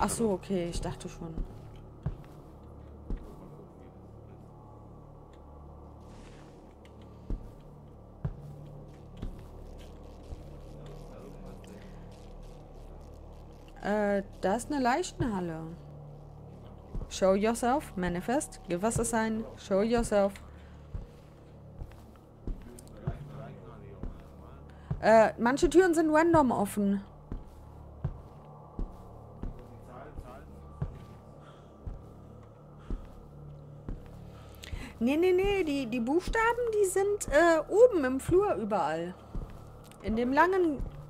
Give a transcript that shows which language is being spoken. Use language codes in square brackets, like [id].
[de] Ach so, okay, ich dachte schon. Da ist eine Leichenhalle. [en] Show yourself, manifest, give us a sign, show yourself. [de] Manche Türen sind random offen. Nee, die Buchstaben, die sind oben im Flur überall. In dem langen...